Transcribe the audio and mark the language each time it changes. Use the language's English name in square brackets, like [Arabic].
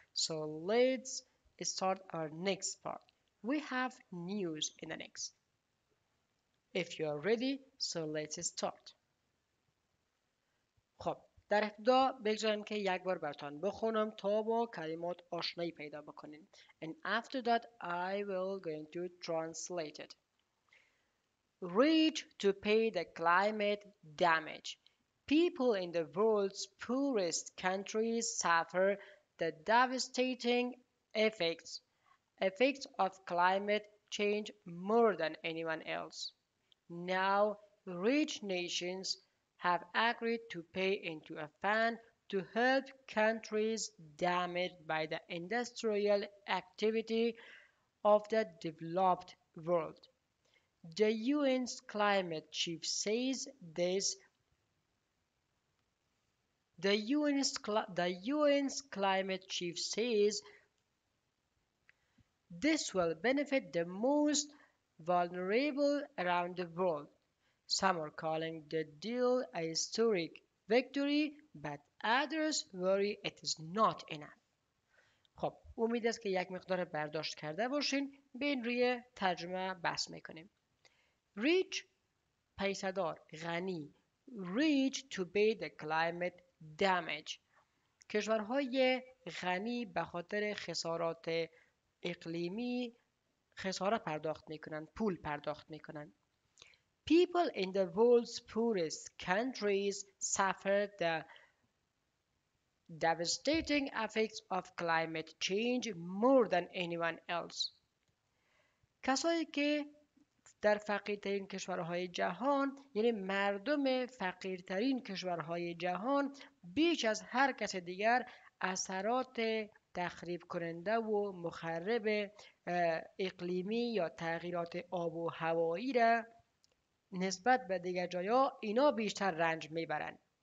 [English] So let's start our next part. We have news in the next. If you are ready, so let's start. [Persian] خب، در ابتدا بگذارم که یک بار براتون بخونم تا با کلمات آشنایی پیدا بکنین. [English] And after that, I will going to translate it. Rich to pay the climate damage. People in the world's poorest countries suffer the devastating effects of climate change more than anyone else. Now rich nations have agreed to pay into a fund to help countries damaged by the industrial activity of the developed world. The UN's climate chief says this. The UN's climate chief says this will benefit the most vulnerable around the world. Some are calling the deal a historic victory, but others worry it is not enough. [Persian] خب، امید است که یک مقدار برداشت کرده باشین. بین روی ترجمه بس میکنیم. Rich, پیسدار، غنی. [English] Rich to pay the climate damage. [Persian] کشورهای غنی به خاطر خسارات اقلیمی خساره پرداخت میکنند، پول پرداخت میکنند. [English] People in the world's poorest countries suffer the devastating effects of climate change more than anyone else. [Persian] کسایی که در فقیرترین کشورهای جهان، یعنی مردم فقیرترین کشورهای جهان، بیش از هر کس دیگر اثرات تخریب کننده و مخرب اقلیمی یا تغییرات آب و هوایی را نسبت به دیگر جای ها اینا بیشتر رنج میبرند.